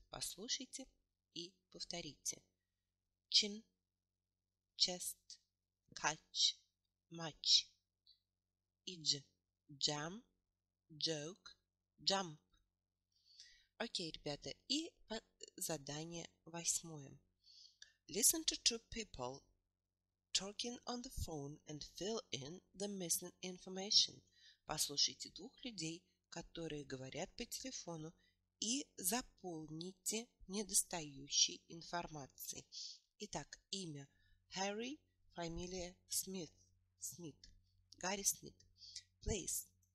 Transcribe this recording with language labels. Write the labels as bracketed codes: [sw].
[ru] Послушайте и повторите. [en] Chin, chest, catch, match. Idge, jam, joke, jump. [ru] Окей, ребята, и задание восьмое. [en] Listen to two people talking on the phone and fill in the missing information. [ru] Послушайте двух людей, которые говорят по телефону, и заполните недостающей информацией. Итак, имя Harry, фамилия Смит. Смит. Гарри Смит. Place.